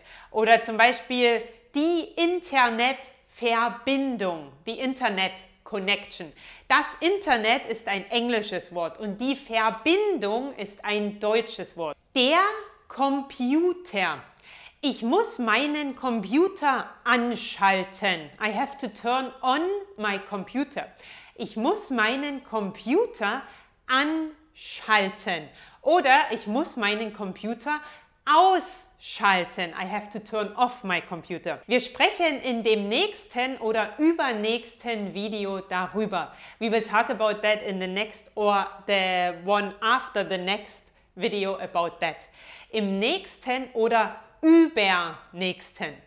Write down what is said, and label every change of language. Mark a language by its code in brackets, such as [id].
[de] Oder zum Beispiel die Internetverbindung. Die [en] Internet Connection. [de] Das Internet ist ein englisches Wort und die Verbindung ist ein deutsches Wort. Der Computer. Ich muss meinen Computer anschalten. [en] I have to turn on my computer. [de] Ich muss meinen Computer anschalten. Oder ich muss meinen Computer ausschalten. [en] I have to turn off my computer. [de] Wir sprechen in dem nächsten oder übernächsten Video darüber. [en] We will talk about that in the next or the one after the next video about that. [de] Im nächsten oder übernächsten.